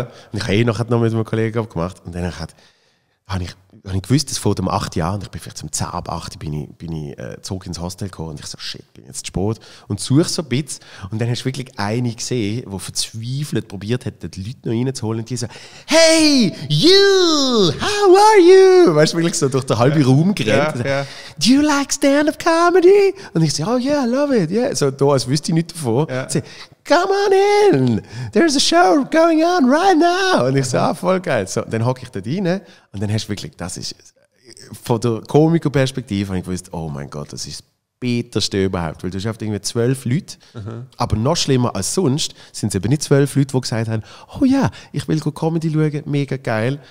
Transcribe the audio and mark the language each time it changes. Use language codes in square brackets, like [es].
[de] Und ich habe eh noch mit einem Kollegen gemacht. Und dann habe ich gewusst, dass vor dem 8. Jahr, und ich bin vielleicht zum 10 ab 8, bin ich ins Hostel gekommen und ich so, shit, bin jetzt zu spät. Und suche so ein bisschen. Und dann hast du wirklich eine gesehen, die verzweifelt probiert hat, die Leute noch reinzuholen. Und die so, [en] hey, you, how are you? [de] Weißt du, wirklich so durch den halben Raum gerannt. Ja, [en] do you like stand-up comedy? [de] Und ich so, [en] oh yeah, I love it. Yeah. [de] So da, als wüsste ich nicht davon. Ja. [en] Come on in! There's a show going on right now! [de] Und ich so, voll geil. So, dann hocke ich da rein und dann hast du wirklich, das ist von der Komikerperspektive, habe ich gewusst, oh mein Gott, das ist das Bitterste überhaupt. Weil du hast irgendwie 12 Leute, aber noch schlimmer als sonst sind es eben nicht 12 Leute, die gesagt haben, oh ja, ich will Comedy schauen, mega geil.